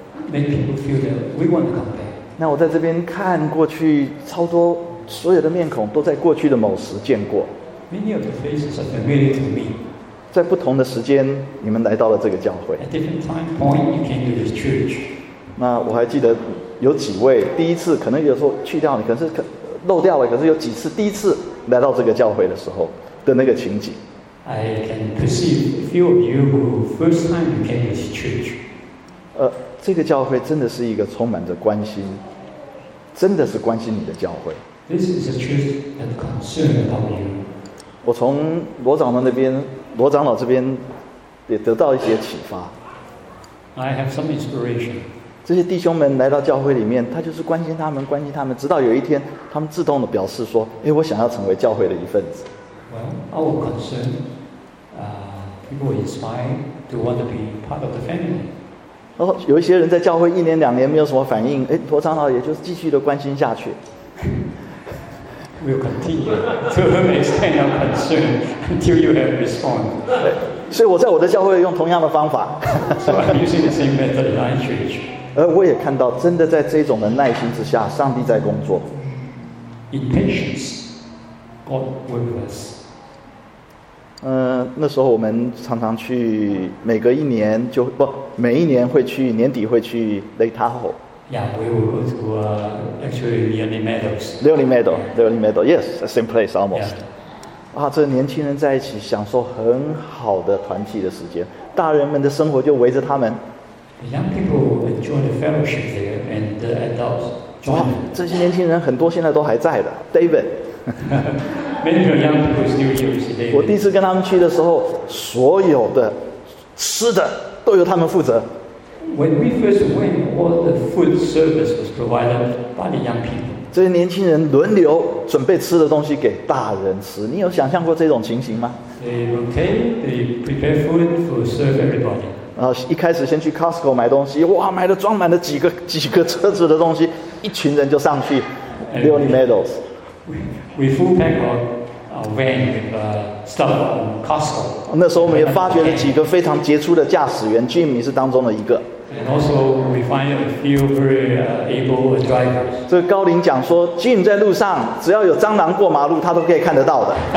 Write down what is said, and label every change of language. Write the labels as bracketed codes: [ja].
[en] Make people feel that we want to come back. [zh] 那我在这边看过去，超多。所有的面孔都在过去的某时见过。 [en] Many of the faces are familiar to me. [zh] 在不同的时间，你们来到了这个教会。 [en] At different time point, you came to this church. [zh] 那我还记得有几位第一次，可能有时候去掉你，可是漏掉了，可是有几次第一次来到这个教会的时候的那个情景。 [en] I can perceive a few of you who first time you came to this church. [zh] 这个教会真的是一个充满着关心，真的是关心你的教会。 [en] This is a truth and concern about you. [zh] 我从罗长老那边，罗长老这边也得到一些启发。 [en] I have some inspiration. [zh] 这些弟兄们来到教会里面，他就是关心他们，关心他们，直到有一天，他们自动的表示说：“我想要成为教会的一份子。” [en] well, our concern, people inspired to want to be part of the family. [zh] 哦，有一些人在教会一年两年没有什么反应，哎，陀长老也就继续的关心下去。 [en] We'll continue to extend our concern until you have responded. [zh] 所以我在我的教会用同样的方法。 [en] So I'm using the same method in my church. [zh] 而我也看到，真的在这种的耐心之下，上帝在工作。 [en] In patience, God works with us. [zh] 那时候我们常常去，每隔一年就不每一年会去，年底会去 Lake Tahoe。 [en] Yeah, we will go to actually Lonely Meadows. Lonely Meadows, Lonely Meadows. Yes, the same place almost. Yeah. [zh] 啊，这年轻人在一起享受很好的团契的时间，大人们的生活就围着他们。 [en] The young people enjoy the fellowship there, and the adults join. [zh] 哇，这些年轻人很多现在都还在的 ，David. [en] Many of the young people still here today. [zh] 我第一次跟他们去的时候，所有的吃的都由他们负责。 [en] When we first went, all the food service was provided by the young people. [zh] 这些年轻人轮流准备吃的东西给大人吃。你有想象过这种情形吗 [en] ？They rotate, they prepare food to serve everybody. [zh] 一开始先去 Costco 买东西，哇，买了装满了几个车子的东西，一群人就上去 Lonely Meadows. [en] We full pack our van with stuff from Costco. [zh] 那时候我们也发掘了几个非常杰出的驾驶员 ，Jim 是当中的一个。 [en] And also, we find a few very able drivers. [zh] 这个高龄讲说 ，Jim 在路上只要有蟑螂过马路，他都可以看得到的。